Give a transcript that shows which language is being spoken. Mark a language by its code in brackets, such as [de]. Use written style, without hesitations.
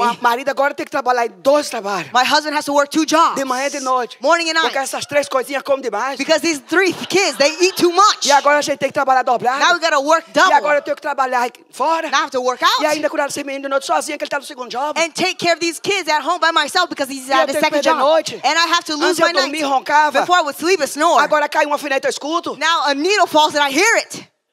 [pt] O marido agora tem que trabalhar em dois trabalhos. [en] My husband has to work two jobs. [pt] De manhã e de noite. [en] Morning and night. [pt] Porque essas três coisinhas comem demais. [en] Because these three kids, they eat too much. [pt] E agora a gente tem que trabalhar dobrado. [en] Now we gotta work double. [pt] E agora eu tenho que trabalhar fora. [en] Now I have to work out. [pt] E ainda cuidar desse menino de noite sozinho que ele está no segundo job. [en] And take care of these kids at home by myself because he's at a second job. [pt] De noite. [en] And I have to lose my [pt] eu dormir, [en] night. Before I would sleep. A snore. [pt] Agora cai um alfinete, eu escuto. [en] Now a needle falls and I hear it.